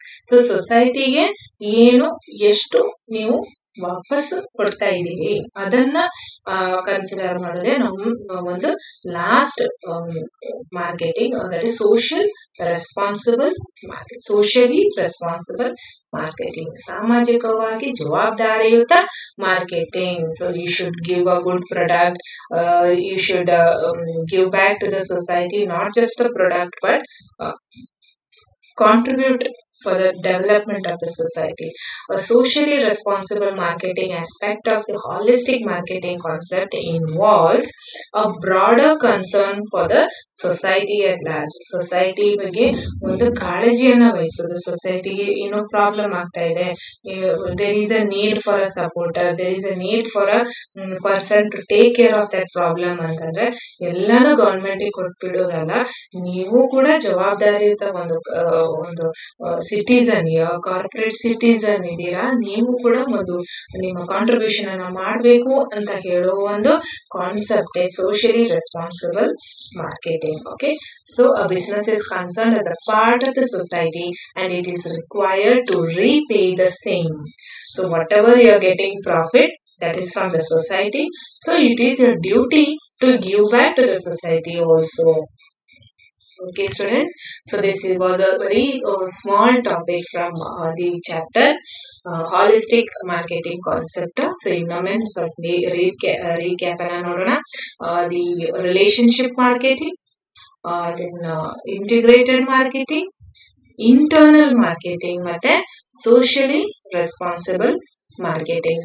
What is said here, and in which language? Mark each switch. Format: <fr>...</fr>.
<kn>So ಸೊಸೈಟಿಗೆ ಏನು ಎಷ್ಟು ನೀವು ವಾಪಸ್ ಕೊಡ್ತಾ ಇದ್ದೀವಿ ಅದನ್ನ ಕನ್ಸಿಡರ್ ಮಾಡೋದೇ ನಮ್ಮ ಒಂದು ಲಾಸ್ಟ್ ಮಾರ್ಕೆಟಿಂಗ್, ಅಂದರೆ social responsible market, socially responsible marketing, ಸಾಮಾಜಿಕವಾಗಿ ಜವಾಬ್ದಾರಿಯುತ marketing.</kn> <en>So you should give a good product, you should give back to the society, not just a product but contribute for the development of the society. A socially responsible marketing aspect of the holistic marketing concept involves a broader concern for the society at large.</en> <kn>Society ಬಗ್ಗೆ ಒಂದು ಕಾಳಜಿಯನ್ನು ವಹಿಸೋದು, society ಏನೋ problem ಆಗ್ತಾ ಇದೆ,</kn> <en>there is a need for a supporter, there is a need for a person to take care of that problem</en> <kn>ಅಂತಂದ್ರೆ ಎಲ್ಲನೂ ಗೌರ್ಮೆಂಟಿಗೆ ಕೊಟ್ಬಿಡೋದಲ್ಲ, ನೀವು ಕೂಡ ಜವಾಬ್ದಾರಿಯುತ ಒಂದು ಸಿಟಿಸನ್, ಕಾರ್ಪೊರೇಟ್ ಸಿಟಿಸನ್ ಇದ್ದೀರಾ, ನೀವು ಕೂಡ ಒಂದು ನಿಮ್ಮ ಕಾಂಟ್ರಿಬ್ಯೂಷನ್ ಅನ್ನು ಮಾಡಬೇಕು ಅಂತ ಹೇಳೋ ಒಂದು concept socially responsible marketing.</kn> <en>Okay, so a business is concern as a part of the society and it is required to repay the same. So whatever you are getting profit that is from the society, so it is your duty to give back to the society also. Okay students, so this was a very small topic from the chapter holistic marketing concept. So in a minute, so recap</en> <kn>ana nodona</kn> <en>the relationship marketing, then integrated marketing, internal marketing matte socially responsible marketing.</en>